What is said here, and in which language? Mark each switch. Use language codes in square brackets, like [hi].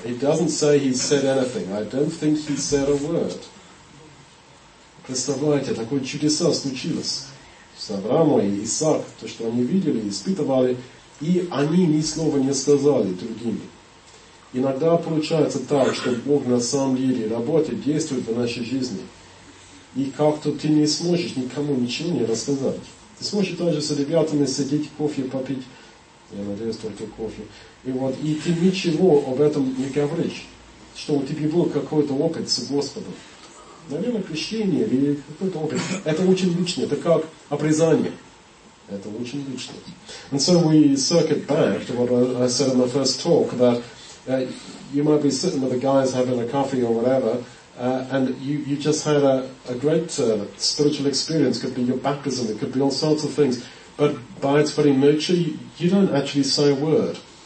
[en] It doesn't say he said anything. I don't think he said a word. [ru] Представляете, такое чудеса случилось. С Авраамом и Исаак, то, что они видели, испытывали, и они ни слова не сказали другими. Иногда получается так, что Бог на самом деле работает, действует в нашей жизни. И как-то ты не сможешь никому ничего не рассказать. Ты сможешь также с ребятами сидеть, кофе попить. Я надеюсь, только кофе. И вот, и ты ничего об этом не говоришь, что у тебя был какой-то опыт с Господом. Наверное, крещение или какой-то опыт. Это очень личное, это как обрезание. Это очень личное. [en] And so we circuit back to what I said in the first talk, that you might be sitting with the guys having a coffee or whatever, and you just had a great spiritual experience. It could be your baptism, it could be all sorts of things. But by its very nature, you don't actually say a word.